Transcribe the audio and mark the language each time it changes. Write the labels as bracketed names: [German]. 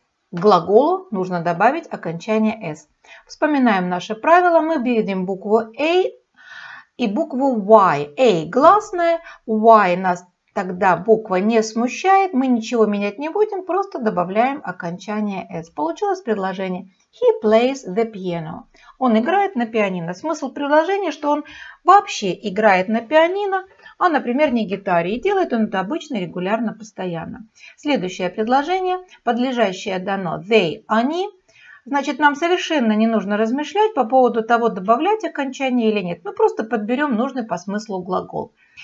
[Russian] К глаголу нужно добавить окончание «s». Вспоминаем наше правило. Мы видим букву «a» и букву «y». «A» – гласная, «y» нас тогда буква не смущает. Мы ничего менять не будем, просто добавляем окончание «s». Получилось предложение [English] «he plays the piano». [Russian] Он играет на пианино. Смысл предложения, что он вообще играет на пианино, а, например, не гитаре. И делает он это обычно, регулярно, постоянно. Следующее предложение. Подлежащее дано they, они. Значит, нам совершенно не нужно размышлять по поводу того, добавлять окончание или нет. Мы просто подберем нужный по смыслу глагол.